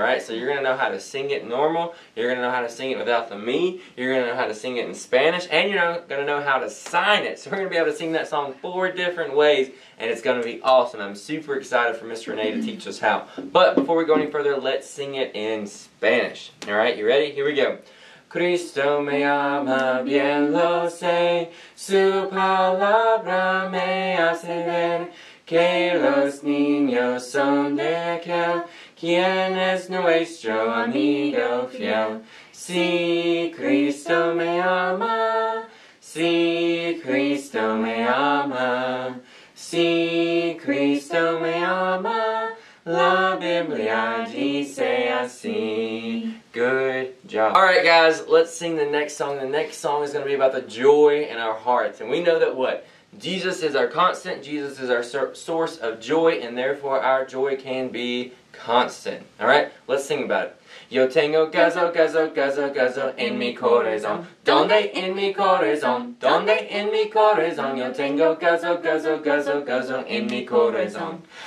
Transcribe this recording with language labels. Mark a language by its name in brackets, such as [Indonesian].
[English] All right? So you're going to know how to sing it normal. You're going to know how to sing it without the me. You're going to know how to sing it in Spanish. And you're going to know how to sign it. So we're going to be able to sing that song four different ways. And it's going to be awesome. I'm super excited for Miss Renee to teach us how. But before we go any further, let's sing it in Spanish. All right? You ready? Here we go. [Spanish] Cristo me ama, bien lo sé, su palabra me hace ver que los niños son de aquel quien es nuestro amigo fiel. Si Cristo me ama, si Cristo me ama, si Cristo me ama, la Biblia dice así. [English] Good job. All right, guys, let's sing the next song. The next song is going to be about the joy in our hearts. And we know that what? Jesus is our constant. Jesus is our source of joy, and therefore our joy can be constant. All right, let's sing about it. [Spanish] Yo tengo gozo, gozo, gozo, gozo en mi corazón. Donde en mi corazón? Donde en mi corazón? Yo tengo gozo, gozo, gozo, gozo en mi corazón.